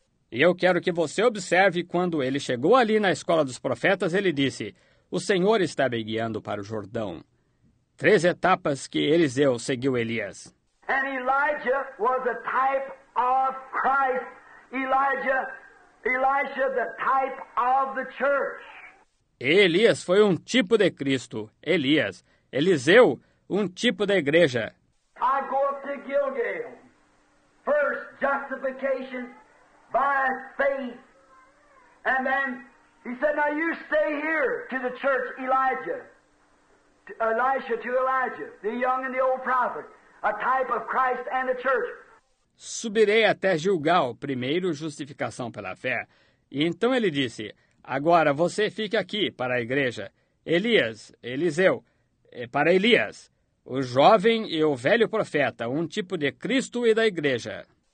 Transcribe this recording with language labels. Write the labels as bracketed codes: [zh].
[pt] E eu quero que você observe quando ele chegou ali na escola dos profetas, ele disse, o Senhor está me guiando para o Jordão. Três etapas que Eliseu seguiu Elias. [en] E Elijah was a type of Christ. Elijah, the type of the church. [pt] Elias foi um tipo de Cristo. Elias. Eliseu, um tipo da igreja. [en] I go up to Gilgal. First, justification by faith. And then, he said, now you stay here to the church, Elijah. Elisha to Elijah, the young and the old prophet. A type of Christ and the church. [pt] Subirei até Gilgal, primeiro justificação pela fé. E então ele disse, agora você fica aqui para a igreja. Elias, Eliseu, para Elias, o jovem e o velho profeta, um tipo de Cristo e da igreja.